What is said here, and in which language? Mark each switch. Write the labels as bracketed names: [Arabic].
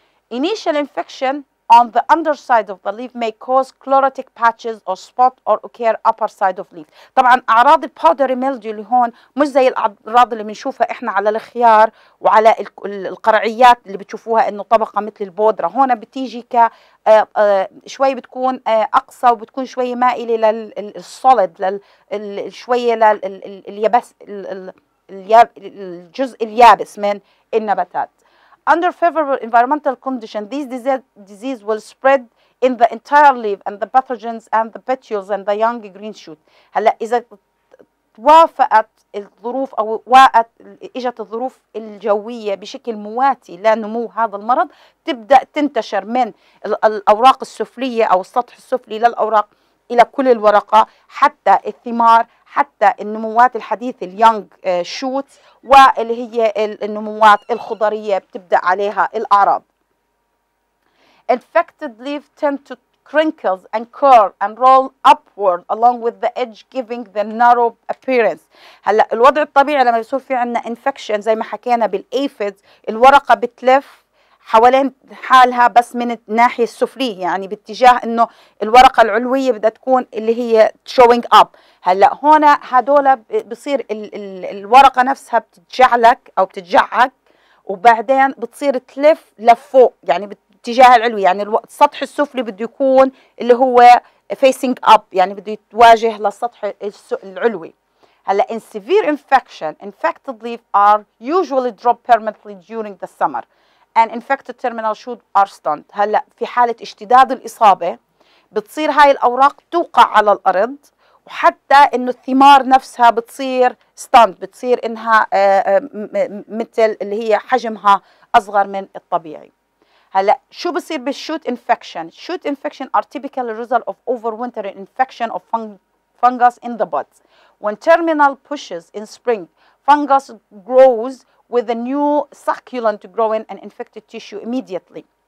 [English] Initial infection on the underside of the leaf may cause chlorotic patches or spot or occur upper side of leaf. [Arabic] طبعا اعراض الباودري ميلديو اللي هون مش زي الاعراض اللي بنشوفها احنا على الخيار وعلى القرعيات اللي بتشوفوها انه طبقه مثل البودره، هون بتيجي ك شوي بتكون اقصى وبتكون شوي مائله للسوليد، شويه لليابس، الجزء اليابس من النباتات. [English] Under favorable environmental conditions, these disease will spread in the entire leaf and the pathogens and the petioles and the young green shoot. [Arabic] هلا اذا توافقت الظروف او وقت اجت الظروف الجويه بشكل مواتي لنمو هذا المرض، تبدا تنتشر من الاوراق السفليه او السطح السفلي للاوراق الى كل الورقه، حتى الثمار، حتى النموات الحديثة اليونج شوت، واللي هي النموات الخضرية بتبدأ عليها الأعراض. [English] Infected leaves tend to crinkle and curl and roll upward along with the edge giving the narrow appearance. [Arabic] هلا الوضع الطبيعي لما يصير في عندنا infection زي ما حكينا بالأيفيدز، الورقة بتلف حوالين حالها بس من الناحية السفلية، يعني باتجاه انه الورقة العلوية بدها تكون اللي هي [English] showing up. [Arabic] هلأ هنا هدول بصير الورقة نفسها بتتجعلك او بتتجعك، وبعدين بتصير تلف لفوق، يعني باتجاه العلوي، يعني السطح السفلي بده يكون اللي هو [English] facing up، [Arabic] يعني بده يتواجه للسطح العلوي. [English] هلا in severe infection, infected leaves are usually dropped permanently during the summer. And infected terminal shoot are stunned. [Arabic] هلا في حالة اشتداد الإصابة بتصير هاي الأوراق توقع على الأرض، وحتى إنه الثمار نفسها بتصير stunned، بتصير إنها مثل اللي هي حجمها أصغر من الطبيعي. هلا شو بصير بالشوت [English] infection؟ Shoot infection are typically result of overwintering infection of fungus in the buds. When terminal pushes in spring, fungus grows with a new succulent growing and infected tissue immediately.